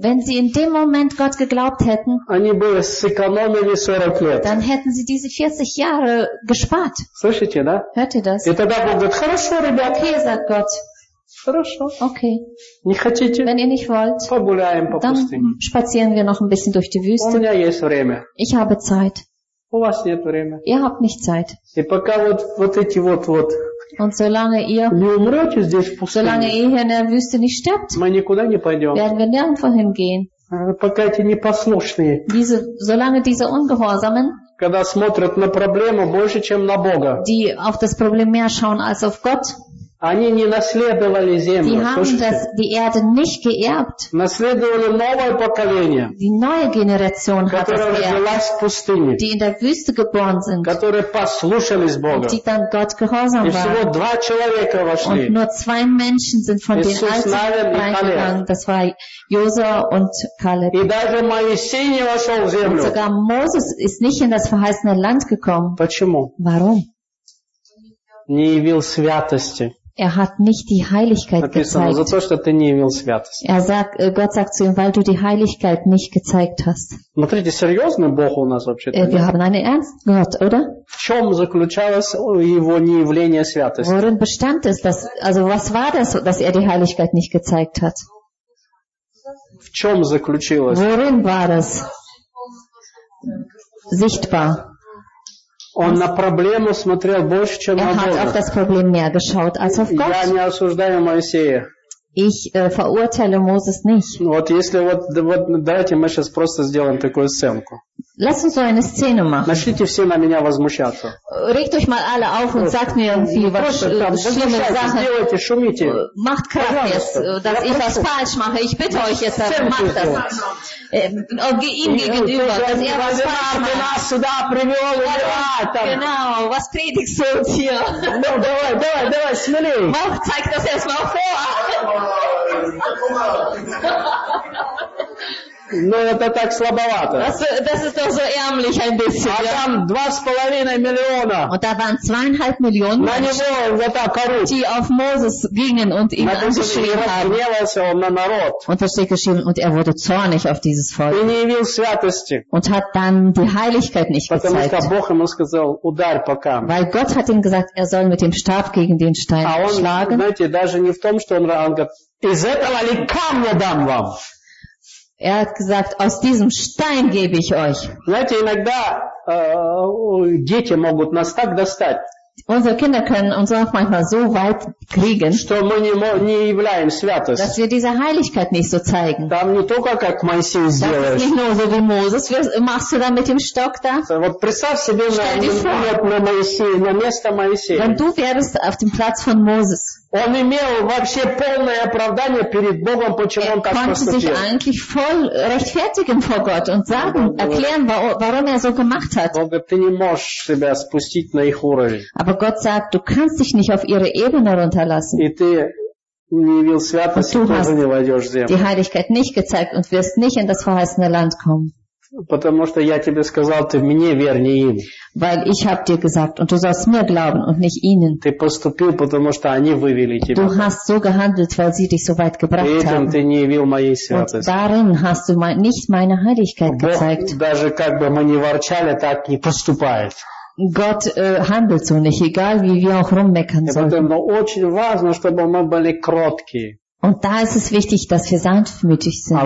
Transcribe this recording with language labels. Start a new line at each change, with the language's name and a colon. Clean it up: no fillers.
German: wenn sie in dem Moment Gott geglaubt hätten,
Russian: они бы сэкономили 40 лет.
German: Dann hätten sie diese 40 Jahre gespart.
Russian: Слушайте, да?
German: Hört ihr das?
Russian: И тогда Бог говорит, хорошо, ребята.
German: Okay, sagt Gott.
Russian: Хорошо.
German: Okay.
Russian: Не хотите?
German: Wenn ihr nicht wollt,
Russian: погуляем по
German: dann
Russian: пустыне.
German: Dann spazieren wir noch ein bisschen durch die Wüste.
Russian: У меня есть время.
German: Ich habe Zeit.
Russian: У вас нет времени.
German: Ihr habt nicht Zeit.
Russian: И пока вот эти вот.
German: Und solange ihr,
Russian: не умрете здесь в пустыне,
German: solange ihr hier in der Wüste nicht stirbt,
Russian: мы никуда не пойдем.
German: Werden wir nirgendwo hingehen.
Russian: Пока эти непослушные.
German: Solange diese Ungehorsamen,
Russian: когда смотрят на проблему больше, чем на Бога,
German: die auf das Problem mehr schauen als auf Gott,
Russian: они не наследовали землю.
German: Die haben die Erde nicht geerbt.
Russian: Наследовали новое поколение.
German: Die neue Generation hat das geerbt.
Russian: Которая родилась в пустыне.
German: Die in der Wüste geboren sind.
Russian: Которые послушались Бога.
German: Die dann Gott gehorsam waren.
Russian: И всего два человека вошли.
German: Und nur zwei Menschen sind von den Alten reingegangen. Das war Josua und Kaleb.
Russian: И даже Моисей не вошел в землю.
German: Und sogar Moses ist nicht in das verheißene Land gekommen.
Russian: Почему?
German: Warum?
Russian: Не явил святости.
German: Er hat nicht die Heiligkeit
Russian: написано,
German: gezeigt.
Russian: За то, что ты не явил святости.
German: Gott sagt zu ihm, weil du die Heiligkeit nicht gezeigt hast.
Russian: Смотрите, серьезный Бог у нас вообще-то.
German: Wir haben einen ernsten Gott, oder?
Russian: В чем заключалось его неявление святости?
German: Worin bestand es, dass, also was war das, dass er die Heiligkeit nicht gezeigt hat?
Russian: В чем заключилось?
German: Worin war das? Sichtbar.
Russian: Он на проблему смотрел больше, чем на Бога.
German: Er hat auf das Problem mehr geschaut als auf Gott.
Russian: Я не осуждаю Моисея.
German: Ich verurteile Moses nicht.
Russian: Вот если вот, вот давайте мы сейчас просто сделаем такую сценку.
German: Lass uns so eine Szene machen.
Russian: Начните все на меня возмущаться.
German: Regt euch mal alle auf und sagt mir irgendwie was schlimme Sachen.
Russian: Делайте, шумите.
German: Macht Krach jetzt, dass ich was falsch mache. Ich bitte euch jetzt, macht das. Ihm gegenüber, dass er was falsch macht. Genau, was predigst du uns hier?
Russian: Давай, смелее.
German: Mach, zeig das erstmal vor.
Russian: Ну, это так слабовато.
German: Das ist doch so ärmlich ein bisschen.
Russian: А там 2,5 миллиона.
German: Und da waren 2,5 Millionen.
Russian: На него вот так орут.
German: Die auf Moses gingen und ihn angeschrien haben. Und das steht geschrieben, und er wurde zornig auf dieses Volk.
Russian: И не явил святости.
German: Und hat dann die Heiligkeit nicht
Russian: потому
German: gezeigt.
Russian: Потому что Бог ему сказал, удар по камню.
German: Weil Gott hat ihm gesagt, er soll mit dem Stab gegen den Stein schlagen.
Russian: А он, знаете, даже не в том, что он говорит, из этого ли камня дам вам?
German: Er hat gesagt, aus diesem Stein gebe ich euch.
Russian: Знаете, иногда дети могут нас так достать.
German: Unsere Kinder können uns auch manchmal so weit kriegen,
Russian: что мы не являем святость.
German: Dass wir diese Heiligkeit nicht so zeigen.
Russian: Там не только как Моисей сделаешь.
German: Das ist nicht nur so wie Moses. Machst du da mit dem Stock da?
Russian: Вот представь себе, на место Моисея.
German: Wenn du wärst auf dem Platz von Moses.
Russian: Он имел вообще полное оправдание перед Богом, почему он так поступил.
German: Er konnte sich eigentlich voll rechtfertigen vor Gott und sagen, erklären, warum er so gemacht hat.
Russian: Бог говорит, ты не можешь себя спустить на их уровень.
German: Aber Gott sagt, du kannst dich nicht auf ihre Ebene runterlassen.
Russian: И ты не явил святости,
German: und du hast
Russian: не войдешь в землю.
German: Die Heiligkeit nicht gezeigt und wirst nicht in das verheißene Land kommen.
Russian: Потому что я тебе сказал, ты мне верь, не им.
German: Weil ich habe dir gesagt, und du sollst mir glauben und nicht ihnen.
Russian: Ты поступил, потому что они вывели тебя.
German: Du hast so gehandelt, weil sie dich so weit gebracht haben.
Russian: И этим ты не явил моей святости.
German: Und darin hast du nicht meine Heiligkeit
Russian: Бог,
German: gezeigt.
Russian: Даже как бы мы не ворчали, так не поступает.
German: Gott handelt so nicht, egal wie wir auch rummeckern sollen. Und da ist es wichtig, dass wir sanftmütig sind.